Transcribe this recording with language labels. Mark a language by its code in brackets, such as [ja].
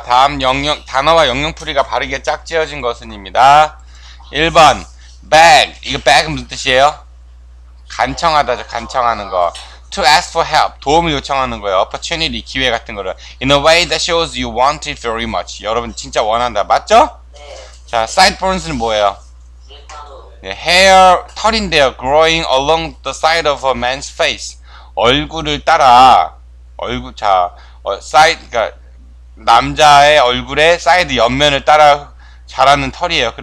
[ko] 단어와 영영풀이가 바르게 짝지어진 것은입니다. 1번, beg. 이거 beg 무슨 뜻이에요? 간청하다죠, 간청하는 거. [en] To ask for help. [ko] 도움을 요청하는 거예요. Opportunity, 기회 같은 거를. [en] In a way that shows you want it very much. [ko] 여러분, 진짜 원한다. 맞죠? 자, sideburns는 뭐예요? 네, hair, 털인데요. [en] Growing along the side of a man's face. [ko] 얼굴을 따라, 얼굴, 자, 그러니까 남자의 얼굴에 사이드 옆면을 따라 자라는 털이에요.